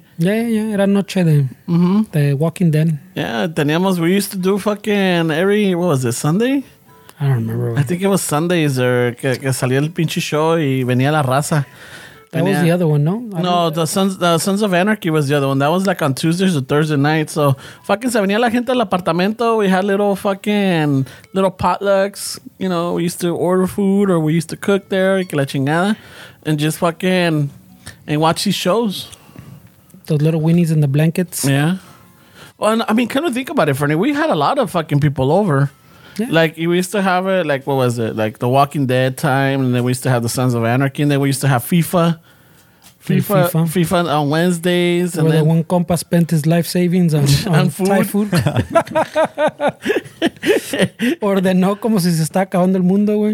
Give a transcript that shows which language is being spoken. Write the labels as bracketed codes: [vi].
[es] Yeah. Era noche de The Walking Dead. Yeah, teníamos. [en] We used to do fucking every, what was it, Sunday? I don't remember. I think it was Sundays or [es] que salía el pinche show y venía la raza. [en] That was the other one, no? The Sons of Anarchy was the other one. That was like on Tuesdays or Thursday night. So, fucking [es] se venía la gente al apartamento. [en] We had little potlucks. You know, we used to order food or we used to cook there. [es] Que la chingada. [en] And just fucking, and watch these shows. Those little Winnies in the blankets. Yeah. Well, I mean, kind of think about it, Fernie. We had a lot of fucking people over. Yeah. Like, we used to have it, like, what was it? Like, The Walking Dead time, and then we used to have The Sons of Anarchy, and then we used to have FIFA on Wednesdays. Where and then, the one compa spent his life savings on food. Thai food. [es] Ordenó como si se está acabando el mundo, güey.